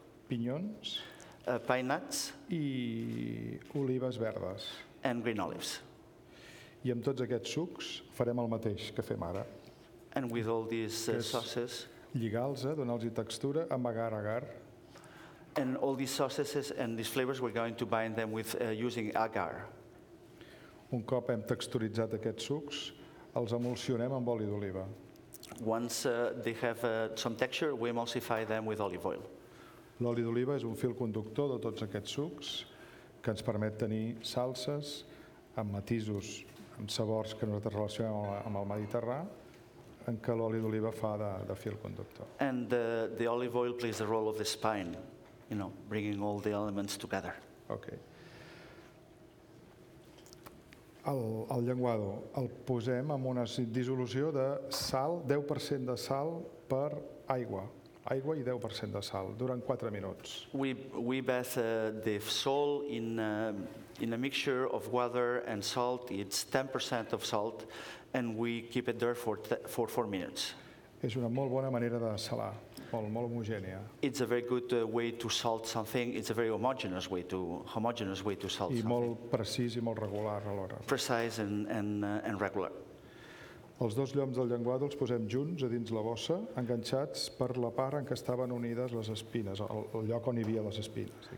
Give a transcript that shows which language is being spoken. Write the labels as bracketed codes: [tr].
[ca] Pinyons, [en] pine nuts [ca] I olives verdes [en] and green olives. [ca] I amb tots aquests sucs farem el mateix que fem ara. [en] And with all these sauces, [ca] lligar-los, donar-los textura amb agar-agar. [en] And all these sauces and these flavors we're going to bind them with using agar. [ca] Un cop hem texturitzat aquests sucs, els emulsionem amb oli d'oliva. [en] Once they have some texture, we emulsify them with olive oil. [ca] L'oli d'oliva és un fil conductor de tots aquests sucs que ens permet tenir salses amb matisos, amb sabors que nosaltres relacionem amb el Mediterrani, en què l'oli d'oliva fa de fil conductor. [en] And the olive oil plays the role of the spine, bringing all the elements together. Okay. [ca] El llenguado el posem en una dissolució de sal, 10% de sal per aigua. Aigua I 10% de sal durant 4 minuts. [en] We bath the sole in a mixture of water and salt. It's 10% of salt and we keep it there for 4 minutes. [ca] És una molt bona manera de salar, molt homogènia. [en] It's a very good way to salt something. It's a very homogeneous way to salt something. [ca] I molt precís I molt regular alhora. [en] Precise and regular. [ca] Els dos lloms del llenguado els posem junts a dins la bossa, enganxats per la part en què estaven unides les espines, el lloc on hi havia les espines.